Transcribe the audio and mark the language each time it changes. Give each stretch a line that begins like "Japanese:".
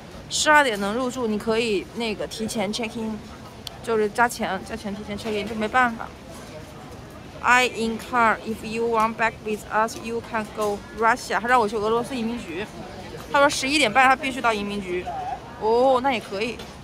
Chinese: 12点能入住，你可以那个提前 check in， 就是加钱提前 check in， 就没办法。
English: I in car. If you want back with us, you can go Russia.
Chinese: 他让我去俄罗斯移民局。他说11点半他必须到移民局。哦，那也可以。